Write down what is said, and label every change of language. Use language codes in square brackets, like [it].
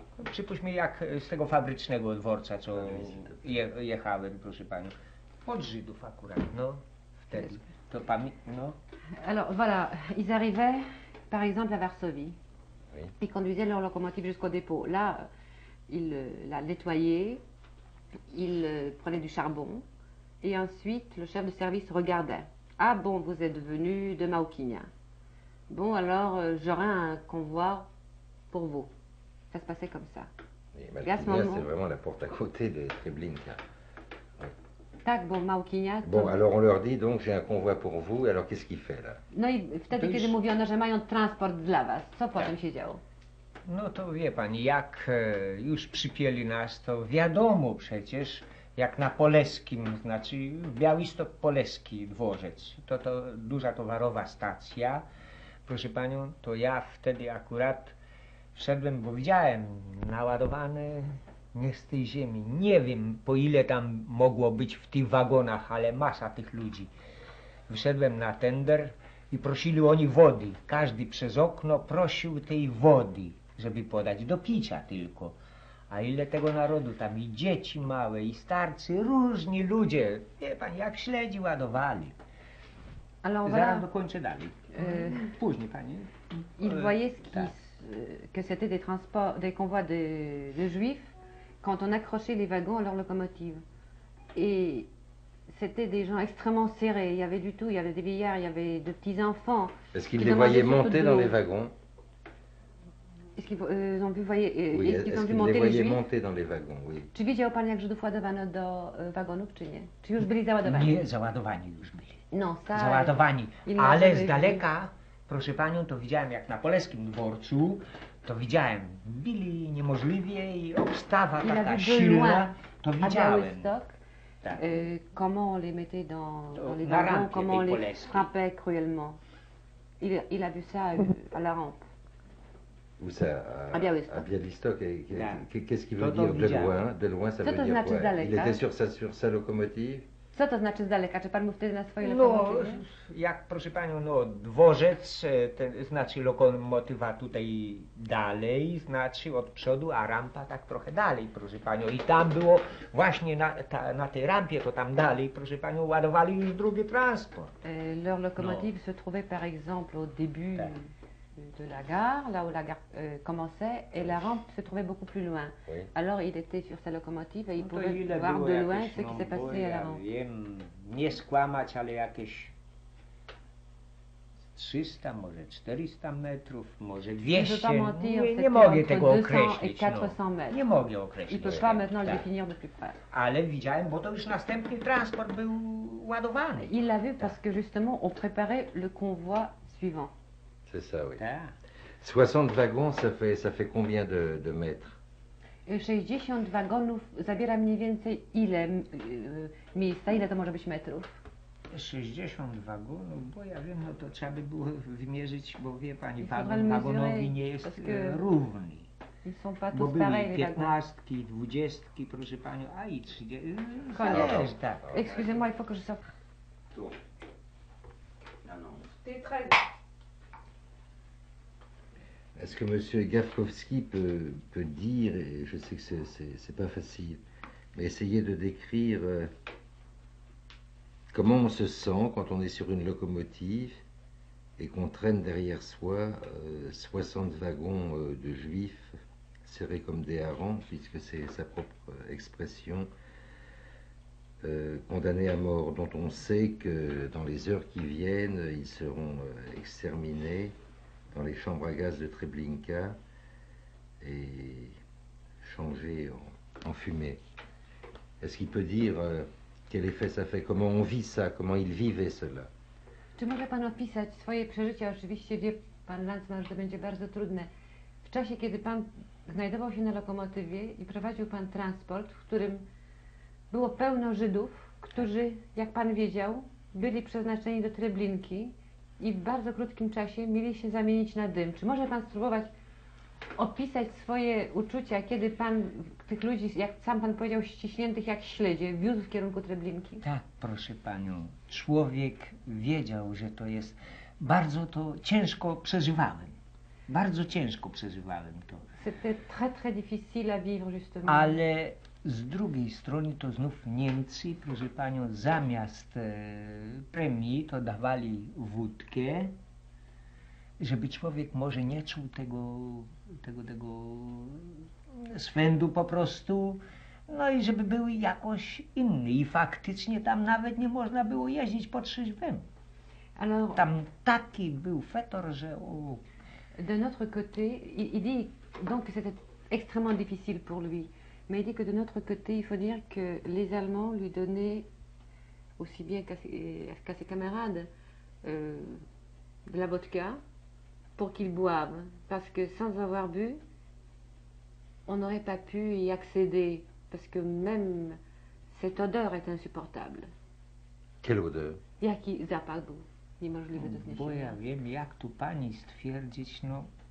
[pl] przypuśćmy, jak z tego fabrycznego dworca, co jechałem, proszę pani. Pod Żydów akurat, no, wtedy. To pami- no. [fr] Alors, voilà, ils arrivaient, par exemple, à Varsovie. Oui. Ils conduisaient leur locomotive jusqu'au dépôt. Là, ils la nettoyaient, ils prenaient du charbon, et ensuite, le chef de service regardait. Ah bon, vous êtes venu de Maokinia. Bon, alors, j'aurai un convoi pour vous. Ça se passait comme ça. Et à ce moment, c'est vraiment la porte à côté de Treblinka. [pl] Tak, bo Małkinia... To... [fr] Bon, alors on leur dit donc, j'ai un convoi pour vous, alors qu'est-ce qu'il fait là? [pl] No i wtedy, już... kiedy mówiono, że mają transport dla was, co potem się działo? No to wie pani, jak już przypieli nas, to wiadomo przecież, jak na Poleskim, znaczy Białystok-Poleski dworzec, to to duża towarowa stacja, proszę panią, to ja wtedy akurat wszedłem, bo widziałem naładowane... Nie z tej ziemi. Nie wiem, po ile tam mogło być w tych wagonach, ale masa tych ludzi. Wyszedłem na tender i prosili oni wody. Każdy przez okno prosił tej wody, żeby podać do picia tylko. A ile tego narodu tam, i dzieci małe, i starcy, różni ludzie. Wie pan, jak śledzi ładowali. [fr] Alors, [pl] zaraz dokończę dalej. Później, pani. [fr] Il voyait que c'était des transports, des convois de juifs. Quand on accrochait les wagons à leur locomotive. Et c'était des gens extrêmement serrés. Il y avait du tout, il y avait des vieillards, il y avait de petits enfants. Est-ce qu'ils les voyaient monter dans les wagons? Est-ce qu'ils ont vu voyer, oui, est-ce qu'ils ont vu monter les Juifs? Monter dans les wagons, oui. [pl] Czy widział pan, jak Żydów ładowano do wagonów, czy nie? Czy już byli załadowani? Nie, załadowani już byli. No, załadowani. Ale z daleka, proszę panią, to widziałem jak na Poleskim dworcu. To widziałem, byli niemożliwie i obstawa [fr] il [pl] taka silna, to widziałem. Tak. [fr] Comment les mettait dans les wagons, comment les frappait cruellement. Il a vu ça à la rampe. Où ça? À Białystok. À Białystok. Qu'est-ce qu'il veut dire? De loin, ça veut dire quoi? Il était sur sa locomotive? [pl] Co to znaczy z daleka? Czy pan mu wtedy na swojej lokomotywie? No, jak proszę panią, no dworzec, znaczy lokomotywa tutaj dalej, znaczy od przodu, a rampa tak trochę dalej, proszę panią. I tam było właśnie na tej rampie, to tam dalej, proszę panią, ładowali już drugi transport. [fr] Leur locomotive se trouvait par exemple au début de la gare, là où la gare commençait, et la rampe se trouvait beaucoup plus loin. Oui. Alors il était sur sa locomotive et il pouvait voir de loin ce qui s'est passé à la rampe. [pl] Wiem, nie skłamać, ale jakieś 300, może 400 metrów, może 200, nie mogę tego określić. Nie mogę określić. I to trzeba [fr] maintenant définir de plus près. [pl] Ale widziałem, bo to już następny transport był ładowany. [fr] Il l'a vu parce que justement on préparait le convoi suivant. C'est ça, oui. 60 wagons, ça fait combien de mètres? [pl] 60 wagonów zabiera mniej więcej ile miejsca, ile to może być metrów? 60 wagonów, bo ja wiem, no to trzeba by było wymierzyć, bo wie pani, wagonowi nie jest równy. [fr] Ils sont pas [pl] bo byli piętnastki, dwudziestki, proszę panią, a i trzydziestki. Koniec. [fr] Excusez-moi, il faut que je sorte. Tu. Est-ce que Monsieur Gawkowski peut dire, et je sais que c'est pas facile, mais essayer de décrire comment on se sent quand on est sur une locomotive et qu'on traîne derrière soi 60 wagons de juifs serrés comme des harengs, puisque c'est sa propre expression, condamnés à mort, dont on sait que dans les heures qui viennent, ils seront exterminés dans les chambres à gaz de Treblinka et changé en fumée. Est-ce qu'il peut dire quel effet ça fait? Comment on vit ça? Comment il vivait cela? [pl] Czy może pan opisać swoje przeżycia? Oczywiście wie pan Lanzmann, że to będzie bardzo trudne. W czasie, kiedy pan znajdował się na lokomotywie i prowadził pan transport, w którym było pełno Żydów, którzy, jak pan wiedział, byli przeznaczeni do Treblinki, i w bardzo krótkim czasie mieli się zamienić na dym. Czy może pan spróbować opisać swoje uczucia, kiedy pan tych ludzi, jak sam pan powiedział, ściśniętych jak śledzie, wiózł w kierunku Treblinki? Tak, proszę panią. Człowiek wiedział, że to jest... Bardzo to ciężko przeżywałem. Bardzo ciężko przeżywałem to. [fr] C'était très très difficile à vivre justement. [pl] Ale z drugiej strony to znów Niemcy, proszę panią, zamiast premii to dawali wódkę, żeby człowiek może nie czuł tego swędu po prostu, no i żeby był jakoś inny. I faktycznie tam nawet nie można było jeździć po trzeźwym. [fr] Alors, [pl] tam taki był fetor, że... [fr] De notre côté, il dit donc que c'était extrêmement difficile pour lui, mais il dit que de notre côté, il faut dire que les Allemands lui donnaient, aussi bien qu'à ses camarades, de la vodka pour qu'il boive, parce que sans avoir bu, on n'aurait pas pu y accéder, parce que même cette odeur est insupportable. Quelle odeur? [pl] Jaki zapach był? Niemożliwy do zniesienia. Bo ja wiem, jak tu pani stwierdzić, no...